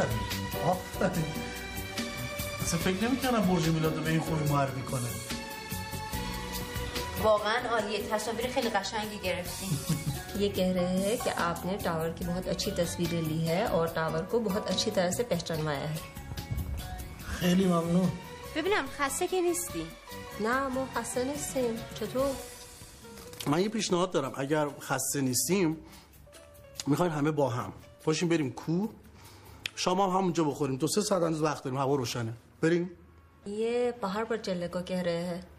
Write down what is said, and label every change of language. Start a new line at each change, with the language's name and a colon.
Persian: آفرین، آفرین. اصلا فکر نمی‌کردم برج میلاد به این خوبی معرفی کنه. واقعا عالیه، تصاویر خیلی قشنگی گرفتیم.
Urdu: یہ کہہ رہے ہیں کہ آپ نے ٹاور کی بہت اچھی تصویریں لی ہے اور ٹاور کو بہت اچھی طرح سے پہچانوایا ہے.
Persian: خیلی ممنون. ببینم خسته کی نیستی؟ نه مو خسته نیستیم. چطور؟ من یه پیشنهاد دارم، اگر خسته نیستیم میخواین همه با هم پاشیم بریم کو، شام هم همونجا بخوریم، 2-3 ساعت هنوز وقت داریم، هوا روشنه، بریم.
Urdu: یه پهار پر چلے کو کہہ رہے ہیں.